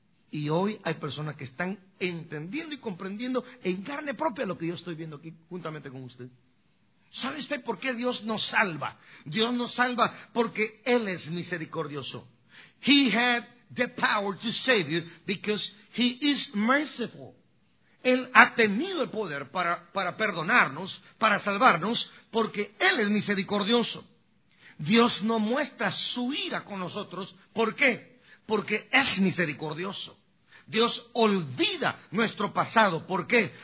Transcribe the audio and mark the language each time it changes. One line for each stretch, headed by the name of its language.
Spanish: Y hoy hay personas que están entendiendo y comprendiendo en carne propia lo que yo estoy viendo aquí juntamente con usted. ¿Sabe usted por qué Dios nos salva? Dios nos salva porque Él es misericordioso.
English: He had the power to save you because He is merciful.
Spanish: Él ha tenido el poder para perdonarnos, para salvarnos, porque Él es misericordioso. Dios no muestra su ira con nosotros. ¿Por qué? Porque es misericordioso. Dios olvida nuestro pasado. ¿Por qué?